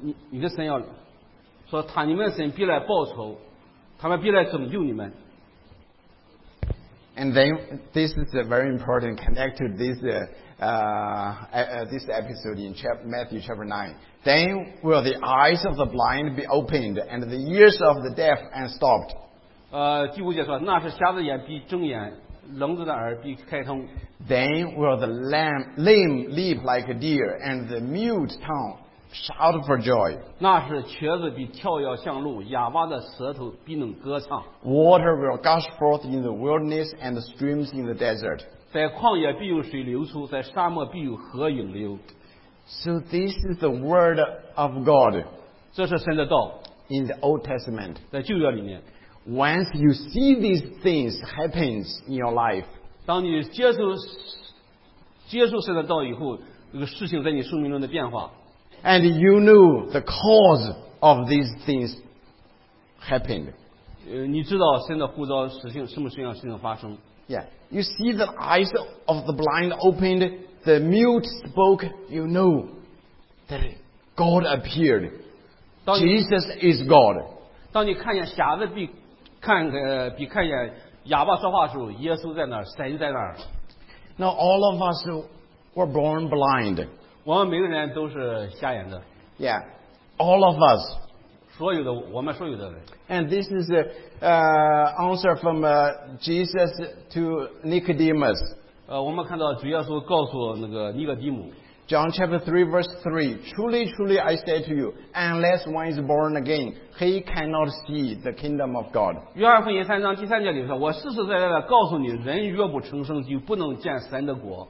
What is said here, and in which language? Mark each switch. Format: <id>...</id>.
<zh>你的神要说他你们的神必来报仇，他们必来拯救你们。</zh> <en>And then this is a very important connect to this. This episode in Matthew chapter 9. Then will the eyes of the blind be opened and the ears of the deaf and stopped.</en> <zh>第五节说那是瞎子眼必睁眼聋子的耳必开通。</zh> <en>Then will the lame leap like a deer and the mute tongue shout for joy.</en> <zh>那是瘸子必跳跃向路哑巴的舌头必能歌唱。</zh> <en>Water will gush forth in the wilderness and the streams in the desert.</en> <zh>在旷野必有水流出，在沙漠必有河涌流。</zh> <en>So this is the word of God.</en> <zh>这是神的道。</zh> <en>In the Old Testament.</en> <zh>在旧约里面。</zh> <en>Once you see these things happen in your life.</en> <zh>当你接受神的道以后，这个事情在你生命中的变化。</zh> <en>And you knew the cause of these things happened.</en> <zh>你知道神的呼召实行什么事情发生。</zh> <en>Yeah, you see the eyes of the blind opened, the mute spoke, you know that God appeared. Jesus is God.</en> <zh>当你看见瞎子比看见哑巴说话的时候，耶稣在那儿，神在那儿。</zh> <en>Now all of us were born blind.</en> <zh>我们每个人都是瞎眼的。</zh> <en>Yeah, all of us.</en> <zh>所有的我们所有的人。</zh> <en>And this is a answer from Jesus to Nicodemus.</en> <zh>我们看到主耶稣告诉那个尼哥底母。</zh> <en>John chapter 3 verse 3, truly, truly I say to you, unless one is born again, he cannot see the kingdom of God.</en> <zh>约翰福音3章第3节里说, 我实实在在地告诉你, 人若不重生就, 不能见神的国。</zh>